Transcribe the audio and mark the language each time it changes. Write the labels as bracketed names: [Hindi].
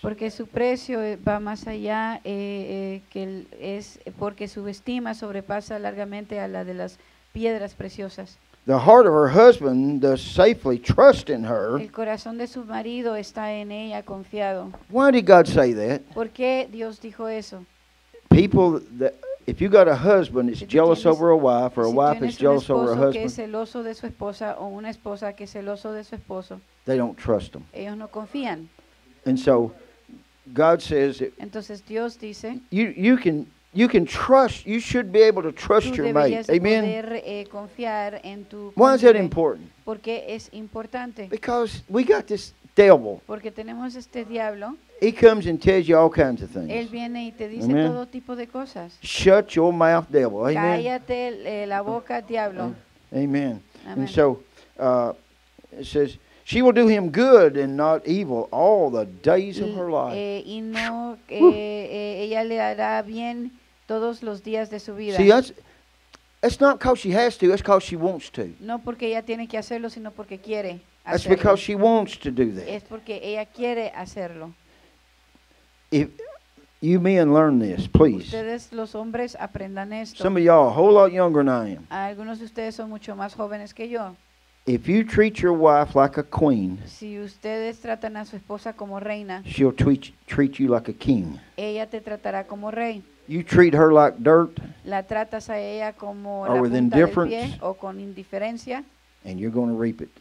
[Spanish] Porque su precio va más allá que es porque su estima sobrepasa largamente a la de las piedras preciosas. [English] The heart of her husband does safely trust in her. [Spanish] El corazón de su marido está en ella confiado. [English] Why did God say that? [Spanish] ¿Por qué Dios dijo eso? [English] People, that, if you got a husband that's jealous over a wife, or [Spanish] si [English] a wife is jealous over a husband, [Spanish] que es celoso de su esposa, o una esposa que es celoso de su esposo, [English] they don't trust them. [Spanish] Ellos no confían. [English] And so, God says, [Spanish] entonces Dios dice, [English] you can trust, you should be able to trust your mate. Amen. [Spanish] Poder, confiar en tu [English] Why is that important? [Spanish] Porque es importante. [English] Because we got this devil. [Spanish] Porque tenemos este diablo. [English] He comes and tells you all kinds of things. [Spanish] Él viene y te dice Amen. Todo tipo de cosas. [English] Shut your mouth, devil. Amen. [Spanish] Cállate la boca, diablo. [English] Amen. And so, it says, she will do him good and not evil all the days of her life. [Spanish] Y no, ella le hará bien todos los días de su vida. [English] See, that's not because she has to, that's because she wants to. [Spanish] No porque ella tiene que hacerlo, sino porque quiere hacerlo. [English] That's because she wants to do that. [Spanish] Es porque ella quiere hacerlo. [English] If you men learn this, please. [Spanish] Ustedes, los hombres, aprendan esto. [English] Some of y'all are a whole lot younger than I am. [Spanish] Algunos de ustedes son mucho más jóvenes que yo. [English] If you treat your wife like a queen, [Spanish] si ustedes tratan a su esposa como reina, [English] she'll treat you like a king. [Spanish] Ella te tratará como rey. [English] You treat her like dirt, [Spanish] la tratas a ella como [English] or [Spanish] la [English] with [Spanish] punta [English] indifference, [Spanish] del pie, o con indiferencia, [English] and you're going to reap it.